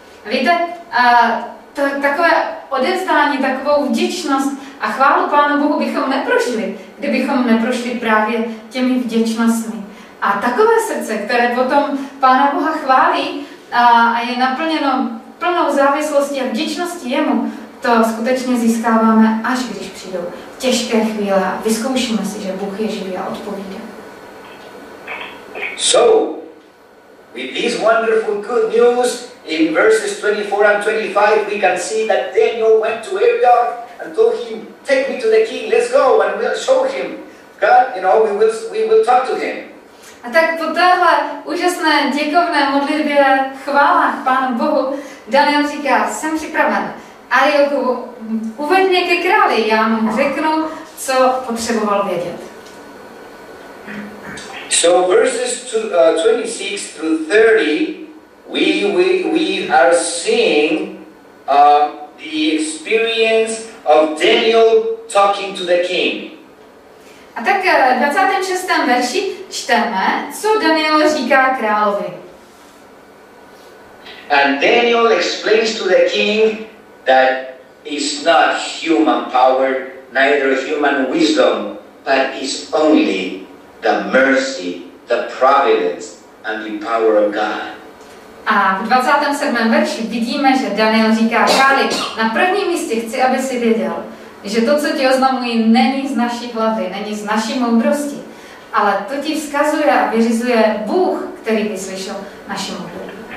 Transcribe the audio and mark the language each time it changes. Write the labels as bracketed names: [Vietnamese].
[Czech] Víte, to takové odevzdání, takovou vděčnost a chválu Pánu Bohu bychom neprožili, kdybychom neprošli právě těmi vděčnostmi. A takové srdce, které potom Pána Boha chválí a je naplněno plnou závislostí a vděčností jemu, to skutečně získáváme, až když přijdou těžké chvíle. Vyzkoušíme si, že Bůh je živý a odpovídá. [English] So, with this wonderful good news, in verses 24 and 25, we can see that Daniel went to Arioch and told him, take me to the king, let's go, and we'll show him. God, you know, we will talk to him. [Czech] A tak po téhle úžasné děkovné modlitbě, chvála Pánu Bohu, Daniel říká, jsem připraven. Arioku, uveď mě ke králi, já mu řeknu, co potřeboval vědět. [English] So verses 26 through 30, we are seeing the experience of Daniel talking to the king. [Czech] A tak v 26. verši čteme, co Daniel říká královi. [English] And Daniel explains to the king that it's not human power neither human wisdom, but is only the mercy, the providence, and the power of God. [Czech] A v 27. verši vidíme, že Daniel říká, králi, na prvním místě chci, aby si věděl, že to, co ti oznamuji, není z naší hlavy, není z naší moudrosti, ale to ti vzkazuje a vyřizuje Bůh, který vyslyšel naši modlitbu.